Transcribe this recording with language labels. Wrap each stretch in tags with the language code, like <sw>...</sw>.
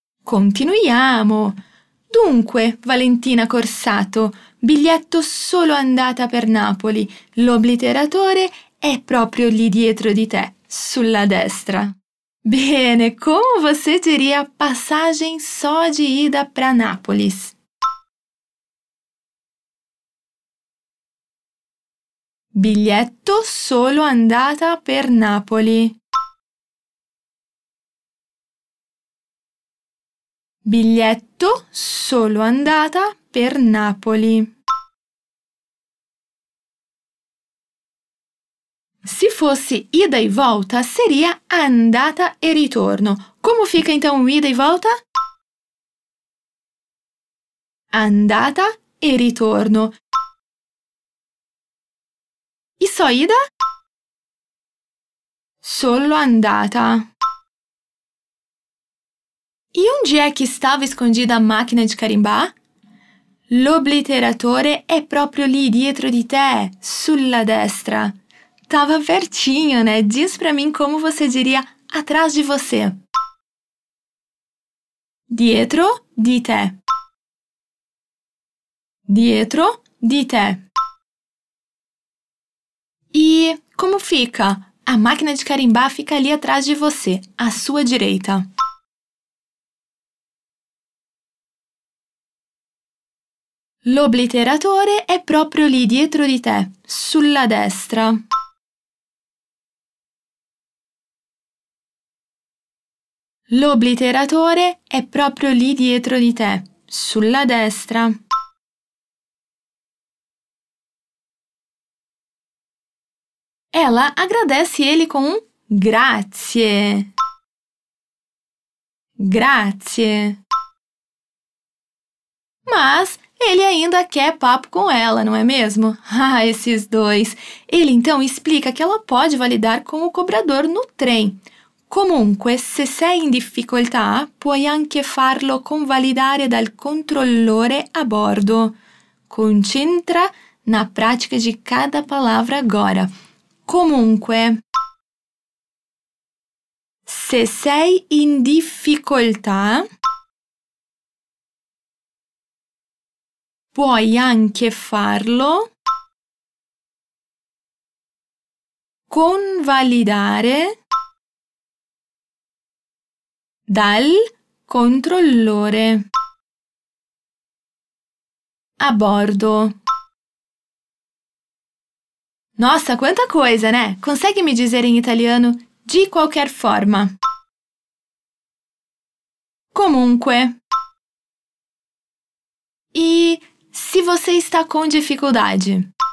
<it>Continuiamo. Dunque, Valentina Corsato, biglietto solo andata per Napoli. L'obliteratore è proprio lì dietro di te, sulla destra. Bene,</it> <pt>como você diria passagem só de ida para Nápoles?</pt> <it>Bilhete solo andata per Napoli. Bilhete solo andata per Napoli.</it> <pt>Se fosse ida e volta, seria</pt> <it>andata e ritorno.</it> <pt>Como fica então ida e volta?</pt> <it>Andata e ritorno.</it> <pt>E só ida?</pt> <it>Solo andata.</it> <pt>E onde é que estava escondida a máquina de carimbar?</pt> <it>L'obliteratore è proprio lì dietro di te, sulla destra.</it> <pt>Tava pertinho, né? Diz pra mim como você diria atrás de você.</pt> <it>Dietro di te. Dietro di te.</it> <pt>E como fica? A máquina de carimbar fica ali atrás de você, à sua direita.</pt> <it>L'obliteratore è proprio lì dietro di te, sulla destra. L'obliteratore è proprio lì dietro di te, sulla destra.</it> <pt>Ela agradece ele com um grazie.</pt> <it>Grazie.</it> <pt>Mas ele ainda quer papo com ela, não é mesmo? Ah, esses dois. Ele então explica que ela pode validar com o cobrador no trem.</pt> <it>Comunque, se sei in difficoltà, puoi anche farlo convalidare dal controllore a bordo.</it> <pt>Concentra na prática de cada palavra agora.</pt> <it>Comunque. Se sei in difficoltà, puoi anche farlo convalidare dal controllore a bordo.</it> <pt>Nossa, quanta coisa, né? Consegue me dizer em italiano de qualquer forma?</pt> <it>Comunque.</it> <pt>E se você está com dificuldade?</pt>